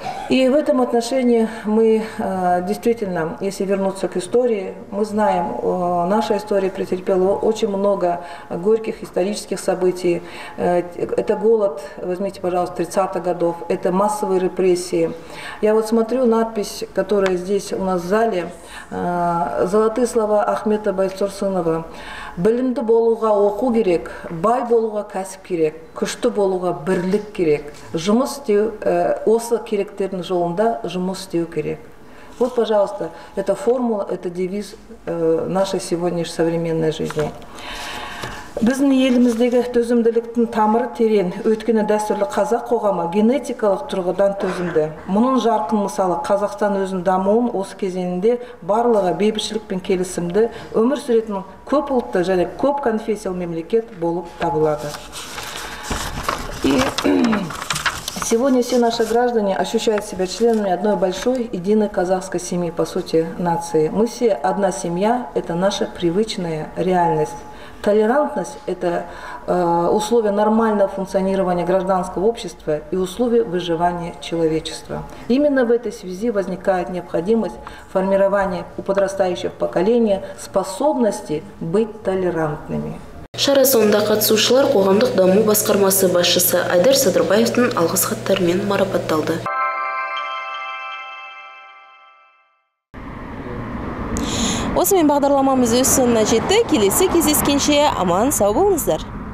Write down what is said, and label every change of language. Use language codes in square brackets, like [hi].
[ru] И в этом отношении мы действительно, если вернуться к истории, мы знаем, наша история претерпела очень много горьких исторических событий. Это голод, возьмите, пожалуйста, 30-х годов, это массовые репрессии. Я вот смотрю надпись, которая здесь у нас в зале, «Золотые слова Ахмета Байтурсынова». [kk] «Білімді болуға оқу керек, бай болуға кәсіп керек, күшті болуға бірлік керек, жұмыс істеу, осы керектердің жолында жұмыс істеу керек». [ru] Вот, пожалуйста, это формула, это девиз нашей сегодняшней современной жизни. [kk] Біздің еліміздегі төзімділіктің тамыры терен, өткені дәстүрлі қазақ қоғамы генетикалық тұрғыдан төзімді. Мұның жарқын мысалы Қазақстан өзінің дамуын осы кезеңінде барлығы бейбітшілік пен келісімді өмір сүретін көп ұлтты және көп конфессиялы мемлекет болып табылады. [ru] Сегодня все наши граждане ощущают себя членами одной большой, единой казахской семьи, по сути, нации. Мы все одна семья, это наша привычная реальность. Толерантность – это условие нормального функционирования гражданского общества и условие выживания человечества. Именно в этой связи возникает необходимость формирования у подрастающих поколений способности быть толерантными. [kk] Шара соңында қатысушылар қоғамдық даму басқармасы басшысы Айдар Садырбаевтың алғыс хаттарымен марапатталды. Осымен бағдарламамыз өз соңына жетті. Келесі кездескенше аман сау болыңыздар.